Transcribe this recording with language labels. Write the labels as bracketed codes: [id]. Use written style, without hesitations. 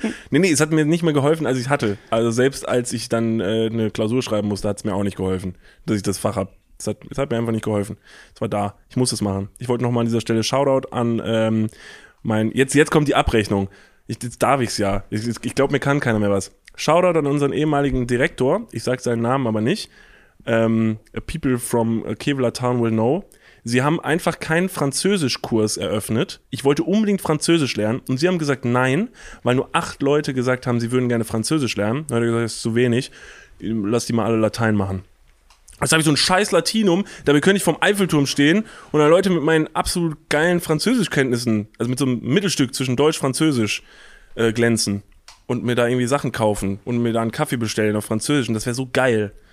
[de] Nee, es hat mir nicht mehr geholfen, als ich hatte. Also selbst als ich dann eine Klausur schreiben musste, hat es mir auch nicht geholfen, dass ich das Fach habe. Es hat mir einfach nicht geholfen. Es war da. Ich muss das machen. Ich wollte nochmal an dieser Stelle Shoutout an jetzt kommt die Abrechnung. Jetzt darf ich's ja. Ich glaube, mir kann keiner mehr was. Shoutout an unseren ehemaligen Direktor. Ich sage seinen Namen aber nicht. [en] People from Kevlar Town will know. [de] Sie haben einfach keinen Französischkurs eröffnet. Ich wollte unbedingt Französisch lernen und sie haben gesagt nein, weil nur 8 Leute gesagt haben, sie würden gerne Französisch lernen. Dann hat er gesagt, das ist zu wenig, lass die mal alle Latein machen. Jetzt habe ich so ein scheiß Latinum, damit könnte ich vorm Eiffelturm stehen und da Leute mit meinen absolut geilen Französischkenntnissen, also mit so einem Mittelstück zwischen Deutsch-Französisch glänzen und mir da irgendwie Sachen kaufen und mir da einen Kaffee bestellen auf Französisch und das wäre so geil.